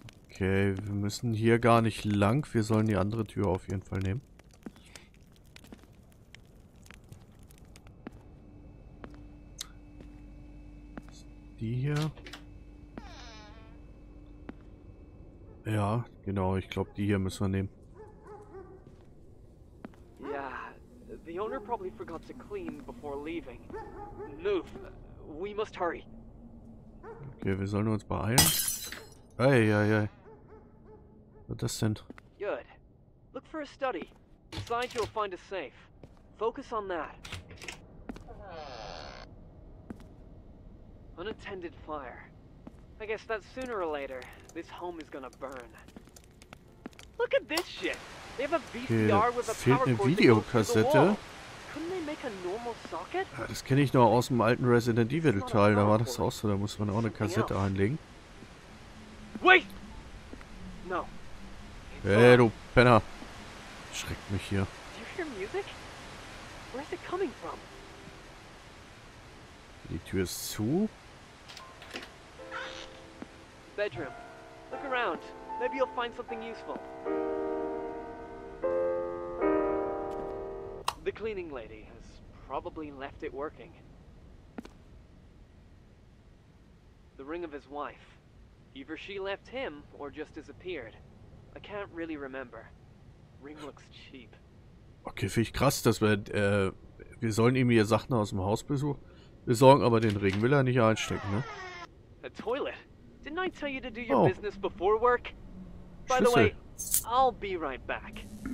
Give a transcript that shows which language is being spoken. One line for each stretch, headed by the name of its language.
German: Okay, wir müssen hier gar nicht lang. Wir sollen die andere Tür auf jeden Fall nehmen. Die hier. Ja, genau. Ich glaube, die hier müssen wir nehmen.
English: Ja, the owner probably forgot to clean before leaving. Move, we must hurry.
German: Okay, wir sollen uns beeilen. Ei, ei, ei. Was das denn?
English: Good. Look for a study. Inside you'll find a safe. Focus on that. Unattended fire. I guess that sooner or later, this home is gonna burn. Look at this shit. They have a VCR okay, with a power cord.
German: Videokassette.
English: Couldn't they make a normal socket?
German: Ja, das kenne ich nur aus dem alten Resident Evil Teil. Da war das auch so. Da muss man auch eine Kassette einlegen.
English: Wait. No.
German: Hey, du Penner. Schreckt mich hier.
English: Do you hear music? Where is it coming from?
German: Die Tür ist zu.
English: Bedroom. Look around. Maybe you'll find something useful. The cleaning lady has probably left it working. The ring of his wife. Either she left him or just disappeared. I can't really remember. Ring looks cheap.
German: Okay, finde ich krass, dass wir sollen ihm hier Sachen aus dem Haus besorgen, aber den Ring will er nicht einstecken, ne?
English: A toilet. Didn't I tell you to do your business before work?
German: Schlüssel.
English: By the way, I'll be right back.